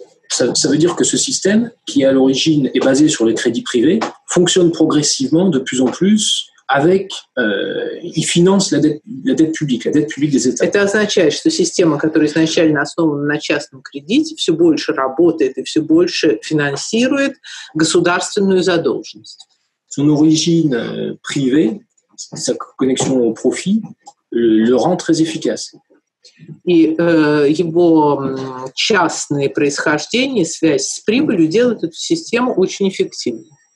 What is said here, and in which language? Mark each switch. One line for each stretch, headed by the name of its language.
French: Ça veut dire que ce système, qui à l'origine est basé sur les crédits privés, fonctionne progressivement de plus en plus avec, il finance la dette publique des États.
Russian: Это означает, что система, которая изначально основана на частном кредите, все больше работает и все больше финансирует государственную задолженность.
French: Son origine privée, sa connexion au profit, le rend très efficace.
Russian: И его частное происхождение, связь с прибылью делает эту систему очень эффективной.